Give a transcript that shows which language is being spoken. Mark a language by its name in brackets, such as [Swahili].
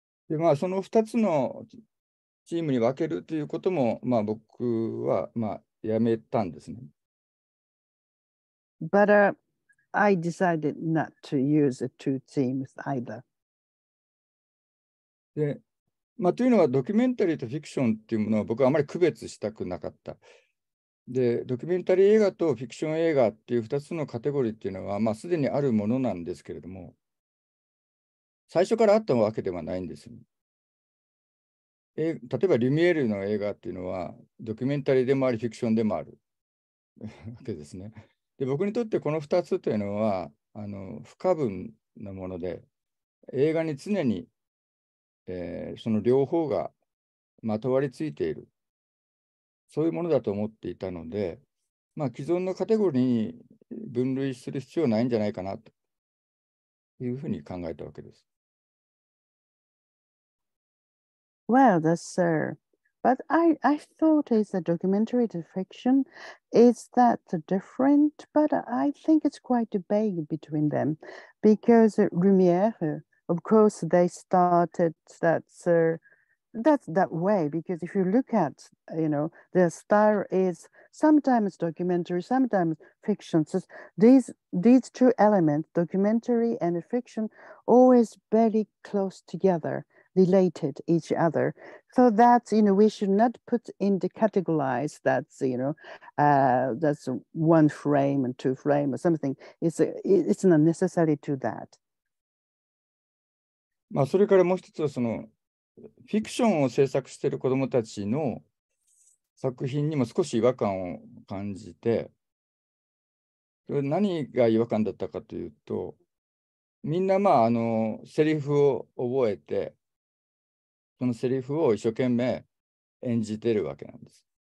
[Japanese] で、まあ、その2つのチームに分けるということも、まあ、僕は、まあ、やめたんですね。 [English] But I decided not to use two teams either. [Japanese] で、まあ、というのはドキュメンタリーとフィクションっていうものは僕はあまり区別したくなかった。で、ドキュメンタリー映画とフィクション映画っていう2つのカテゴリーっていうのは、まあ、すでにあるものなんですけれども、最初からあったわけではないんです。例えばリュミエールの映画っていうのはドキュメンタリーでもありフィクションでもあるわけですね。で、僕にとってこの2つというのは不可分なもので、映画に常に、その両方がまとわりついている、そういうものだと思っていたので、まあ既存のカテゴリーに分類する必要はないんじゃないかなというふうに考えたわけです。 [English] Well, that's sirBut I thought it's a documentary to fiction. Is that different? But I think it's quite vague between them. Because Lumière, of course, they started that way. Because if you look at, you know, their style is sometimes documentary, sometimes fiction. So these two elements, documentary and fiction, always very close together. Related each other, so that, you know, we should not put in the categorize that, you know, that's one frame and two frame or something. It's not necessary to that. [Japanese] まあ、それからもう一つは、そのフィクションを制作している子どもたちの作品にも少し違和感を感じて、何が違和感だったかというと、みんな、まあ、セリフを覚えて、そのセリフを一生懸命演じてるわけなんです。